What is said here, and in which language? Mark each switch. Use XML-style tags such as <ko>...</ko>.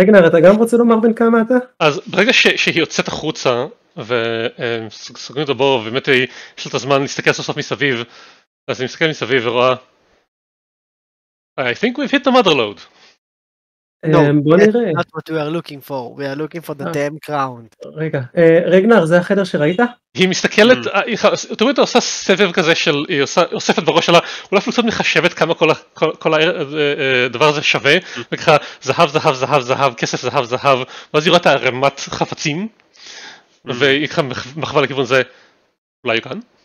<he>רגנר, אתה גם רוצה לומר בן כמה אתה? אז ברגע שהיא יוצאת החוצה וסוגרים את הבור ובאמת יש לה את הזמן להסתכל סוף סוף מסביב, אז היא מסתכל מסביב ורואה</he> <en>I think we've hit the mother load.</en> <he>בוא נראה.</he> <en>Not what we are looking for, we are looking for the damn crown.</en> <he>רגע, רגנר, זה החדר שראית? היא מסתכלת, אתם רואים, היא עושה סבב כזה של, היא אוספת בראש שלה, אולי אפילו קצת מחשבת כמה כל הדבר הזה שווה, וככה זהב, זהב, זהב, זהב, כסף, זהב, זהב, ואז היא רואה את הרמת חפצים, והיא ככה מחווה לכיוון זה, אולי היא כאן?</he>